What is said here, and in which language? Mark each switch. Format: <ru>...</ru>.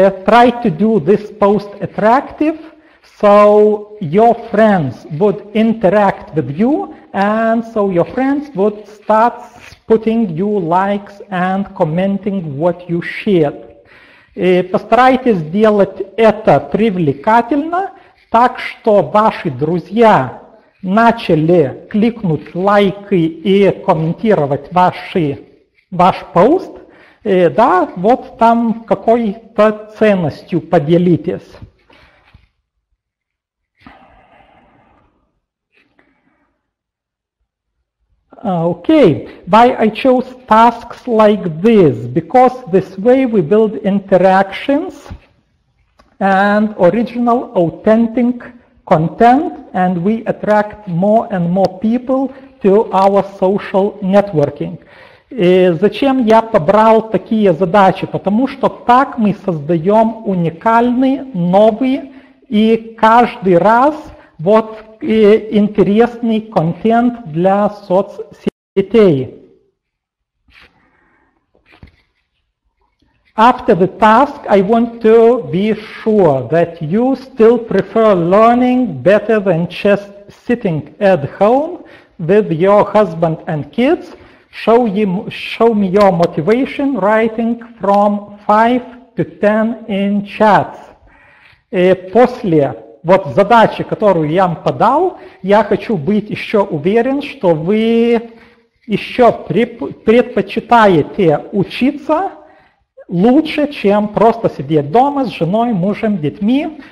<en>Try to do this post attractive so your friends would interact with you and so your friends would start putting you likes and commenting what you shared.</en> <ru>Постарайтесь сделать это привлекательно, так что ваши друзья начали кликнуть лайки и комментировать ваш пост, да, вот там какой-то ценностью поделитесь.</ru> <en>Okay, why I chose tasks like this? Because this way we build interactions and original, authentic content, and we attract more and more people to our social networking.</en> <ru>Зачем я побрал такие задачи? Потому что так мы создаем уникальный, новый и каждый раз вот интересный контент для соцсетей.</ru> <en>After the task, I want to be sure that you still prefer learning better than just sitting at home with your husband and kids. Show me your motivation writing from 5 to 10 in chats.</en> <ru>После вот задачи, которую я вам подал, я хочу быть еще уверен, что вы еще предпочитаете учиться лучше, чем просто сидеть дома с женой, мужем, детьми.</ru>